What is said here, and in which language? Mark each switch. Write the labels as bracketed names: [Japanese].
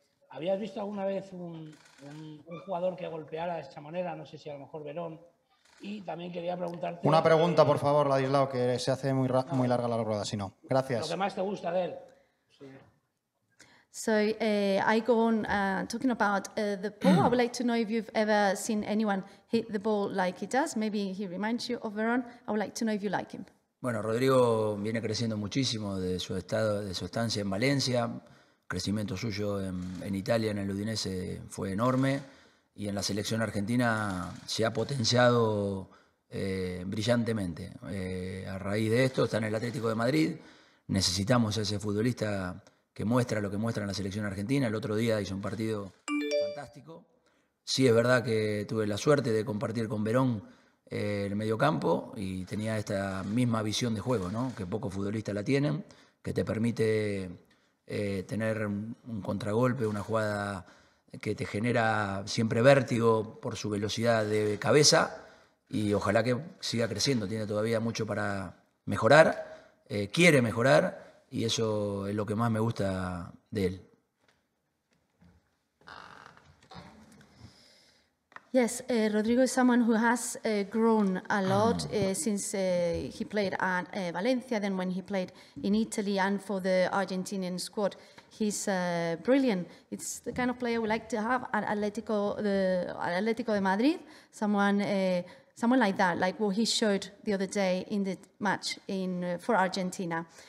[Spanish] ¿Habías visto alguna vez un jugador que golpeara de esta manera? No sé si a lo mejor Verón. Y también quería preguntarte... Una pregunta, por favor, Ladislao, que se hace muy, muy larga la rueda, si no. Gracias. Lo que más te gusta de él. Sí. [English] So, I go on talking about the ball. I would like to know if you've ever seen anyone hit the ball like he does. Maybe he reminds you of Verón. I would like to know if you like him. [Spanish] Bueno, Rodrigo viene creciendo muchísimo de su estancia en Valencia. crecimiento suyo en Italia, en el Udinese, fue enorme. Y en la selección argentina se ha potenciado brillantemente. A raíz de esto está en el Atlético de Madrid. Necesitamos a ese futbolista que muestra lo que muestra en la selección argentina. El otro día hizo un partido fantástico. Sí, es verdad que tuve la suerte de compartir con Verón el mediocampo y tenía esta misma visión de juego, ¿no? Que pocos futbolistas la tienen, que te permite tener un contragolpe, una jugada que te genera siempre vértigo por su velocidad de cabeza, y ojalá que siga creciendo. Tiene todavía mucho para mejorar, quiere mejorar, y eso es lo que más me gusta de él. [English] Yes, Rodrigo is someone who has grown a lot since he played at Valencia, then when he played in Italy and for the Argentinian squad. He's brilliant. It's the kind of player we like to have at Atlético de Madrid, someone like that, like what he showed the other day in the match for Argentina.